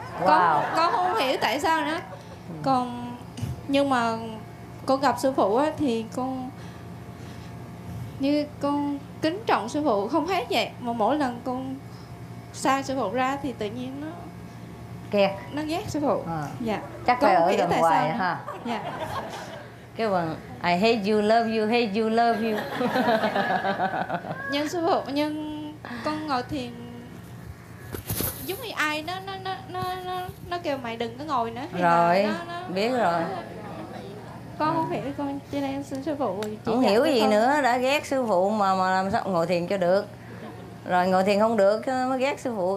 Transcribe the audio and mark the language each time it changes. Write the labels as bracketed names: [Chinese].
[Vietnamese] Con không hiểu tại sao nữa. Còn nhưng mà con gặp sư phụ á thì con như con kính trọng sư phụ không hết vậy, mà mỗi lần con xa sư phụ ra thì tự nhiên nó kẹt, nó ghét sư phụ. Chắc con phải ở gần ngoài ha. Dạ. Cái bằng [English] I hate you, love you, hate you, love you. [Vietnamese] Nhưng sư phụ, nhưng con ngồi thiền giống như ai nó kêu mày đừng có ngồi nữa. Rồi, biết rồi. Con không hiểu, con cho nên xin sư phụ chỉ. Không hiểu gì con nữa, đã ghét sư phụ mà làm sao ngồi thiền cho được. Rồi ngồi thiền không được mới ghét sư phụ.